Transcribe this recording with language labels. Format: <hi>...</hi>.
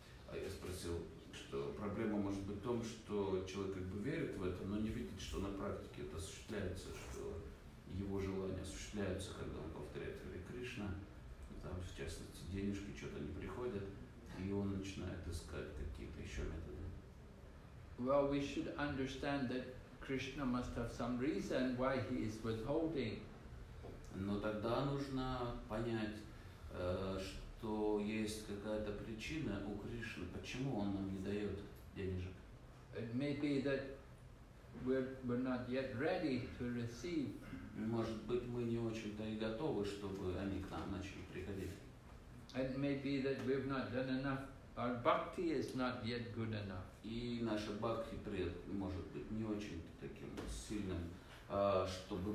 <ru>А я спросил, что проблема может быть в том, что человек как бы верит в это, но не видит, что на практике это осуществляется, что его желания осуществляются, когда он повторяет Hare Krishna, там в частности денежки что-то не приходят. И он начинает искать какие-то еще методы.</ru> <en>Well, we should understand that Krishna must have some reason why he is withholding.</en> <ru>Но тогда нужно понять, что есть какая-то причина у Кришны, почему он нам не дает денежек.</ru> <en>It may be that we're not yet ready to receive.</en> <ru>Может быть, мы не очень-то и готовы, чтобы они к нам начали приходить.</ru> <en>It may be that we've not done enough. Our bhakti is not yet good enough.</en> <ru>И наша бхакти может быть не очень таким сильным, чтобы мы</ru>